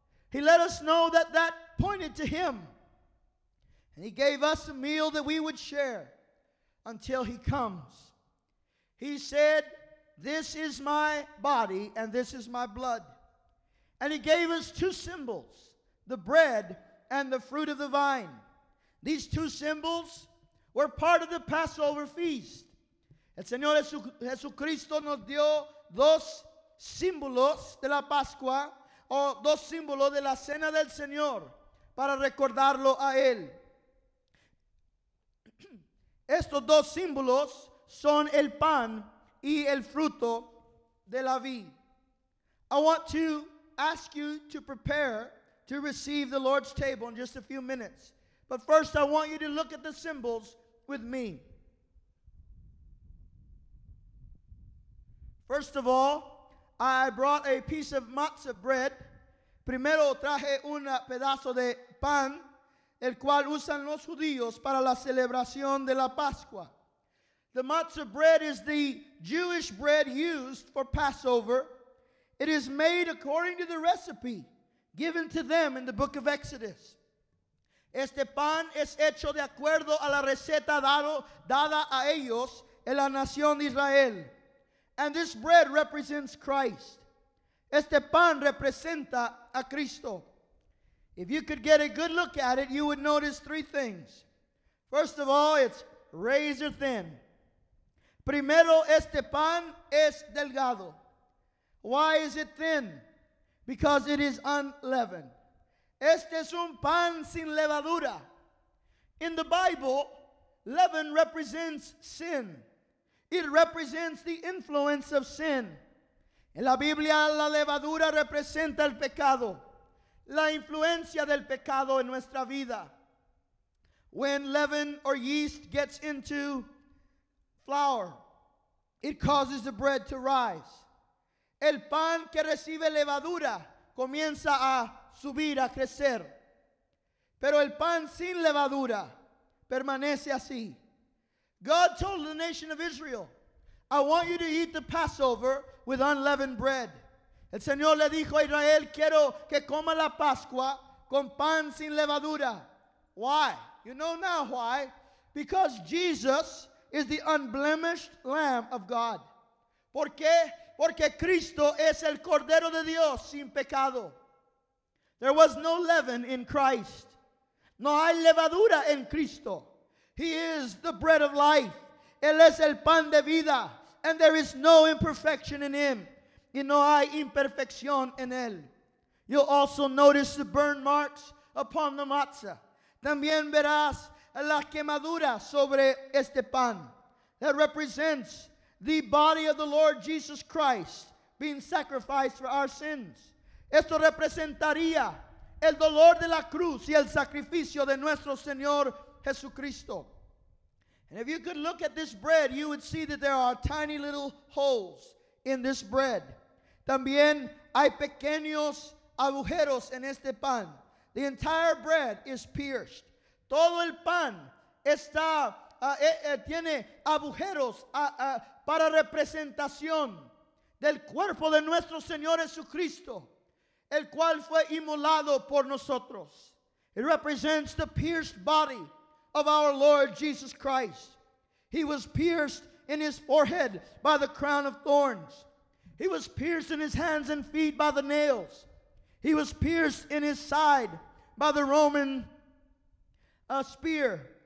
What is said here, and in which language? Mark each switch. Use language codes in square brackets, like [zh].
[en] He let us know that that pointed to Him. And He gave us a meal that we would share until He comes. He said, "This is my body and this is my blood." And He gave us two symbols, the bread and the fruit of the vine. These two symbols were part of the Passover feast. [es] El Señor Jesucristo nos dio dos símbolos de la Pascua, o dos símbolos de la cena del Señor, para recordarlo a Él. Estos dos símbolos son el pan y el fruto de la vid. [en] I want to ask you to prepare to receive the Lord's table in just a few minutes. But first, I want you to look at the symbols with me. First of all, I brought a piece of matzah bread. [es] Primero traje un pedazo de pan, el cual usan los judíos para la celebración de la Pascua. [en] The matzah bread is the Jewish bread used for Passover. It is made according to the recipe given to them in the book of Exodus. [es] Este pan es hecho de acuerdo a la receta dada a ellos en la nación de Israel. [en] And this bread represents Christ. [es] Este pan representa a Cristo. [en] If you could get a good look at it, you would notice three things. First of all, it's razor thin. [es] Primero, este pan es delgado. [en] Why is it thin? Because it is unleavened. [es] Este es un pan sin levadura. [en] In the Bible, leaven represents sin. It represents the influence of sin. [es] En la Biblia, la levadura representa el pecado, la influencia del pecado en nuestra vida. [en] When leaven or yeast gets into flour, it causes the bread to rise. [es] El pan que recibe levadura comienza a subir, a crecer. Pero el pan sin levadura permanece así. [en] God told the nation of Israel, I want you to eat the Passover with unleavened bread. [es] El Señor le dijo a Israel, quiero que coma la Pascua con pan sin levadura. [en] Why? You know now why. Because Jesus is the unblemished Lamb of God. [es] ¿Por qué? Porque Cristo es el Cordero de Dios sin pecado. [en] There was no leaven in Christ. [es] No hay levadura en Cristo. [en] He is the bread of life. [es] Él es el pan de vida. [en] And there is no imperfection in Him. [es] Y no hay imperfección en Él. [en] You'll also notice the burn marks upon the matzah. [es] También verás la quemadura sobre este pan. [en] That represents the body of the Lord Jesus Christ being sacrificed for our sins. [es] Esto representaría el dolor de la cruz y el sacrificio de nuestro Señor Jesucristo. [en] And if you could look at this bread, you would see that there are tiny little holes in this bread. [es] También hay pequeños agujeros en este pan. [en] The entire bread is pierced. [es] Todo el pan está tiene agujeros para representación del cuerpo de nuestro Señor Jesucristo, el cual fue inmolado por nosotros. [en] It represents the pierced body of our Lord Jesus Christ. He was pierced in his forehead by the crown of thorns. He was pierced in his hands and feet by the nails. He was pierced in his side by the Roman spear.